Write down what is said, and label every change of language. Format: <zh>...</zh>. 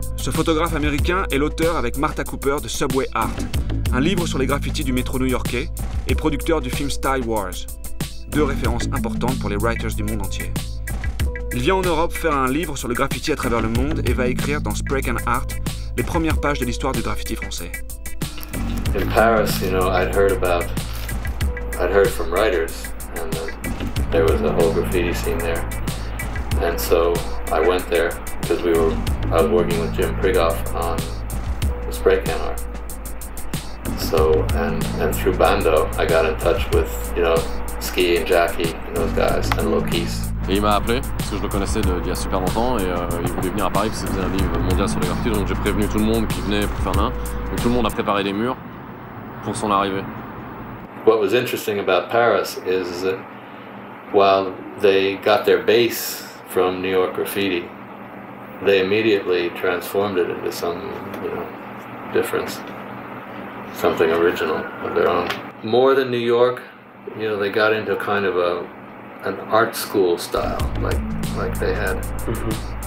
<fr>Ce photographe américain est l'auteur avec Martha Cooper de Subway Art, un livre sur les graffitis du métro new-yorkais et producteur du film Style Wars, deux références importantes pour les writers du monde entier. Il vient en Europe faire un livre sur le graffiti à travers le monde et va écrire dans Sprague & Art les premières pages de l'histoire du graffiti français.</fr> <en>In Paris, you know, I'd heard from writers and there was a whole graffiti scene there. And so I went there because I was working with Jim Prigoff on the spray can art. So and through Bando, I got in touch with, you know, Ski and Jackie and those guys and Lokis.</en> <fr>Et il m'a appelé parce que je le connaissais d'il y a super longtemps et il voulait venir à Paris parce que c'était un livre mondial sur les graffitis. Donc j'ai prévenu tout le monde qui venait pour faire l'un. Donc tout le monde a préparé les murs pour son arrivée.</fr> <en>What was interesting about Paris is that while they got their base from New York graffiti, they immediately transformed it into some, you know, difference, something original of their own. More than New York, you know, they got into kind of an art school style, like they had. Mm-hmm.</en>